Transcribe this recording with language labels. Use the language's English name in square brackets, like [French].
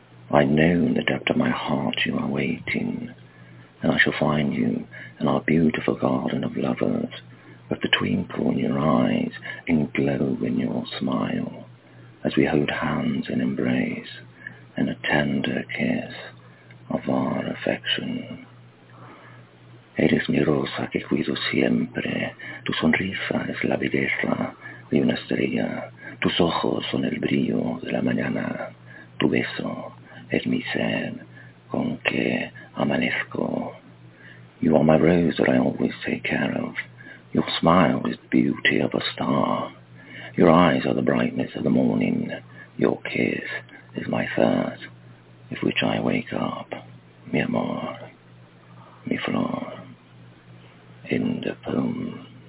[English] I know in the depth of my heart you are waiting, and I shall find you in our beautiful garden of lovers, with the twinkle in your eyes and glow in your smile, as we hold hands and embrace in a tender kiss of our affection. [Spanish] Eres mi rosa que cuido siempre, tu sonrisa es la belleza de una estrella, tus ojos son el brillo de la mañana, tu beso es mi sed con que amanezco. [English] You are my rose that I always take care of, your smile is the beauty of a star, your eyes are the brightness of the morning, your kiss is my thirst, with which I wake up, mi amor, mi flor, in the poem.